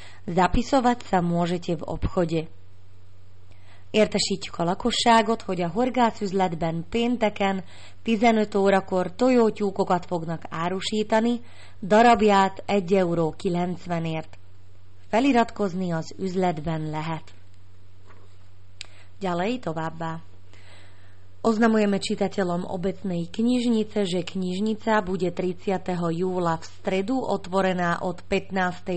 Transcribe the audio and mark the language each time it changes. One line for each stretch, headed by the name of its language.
Slovak: Zapisovať sa môžete v obchode.
Hungarian: Értesítjük a lakosságot, hogy a horgászüzletben pénteken 15 órakor tojótyúkokat fognak árusítani, darabját 1,90 euróért. Feliratkozni az üzletben lehet.
Slovak: Ďalej továbbá. Oznamujeme čitateľom obecnej knižnice, že knižnica bude 30. júla v stredu otvorená od 15.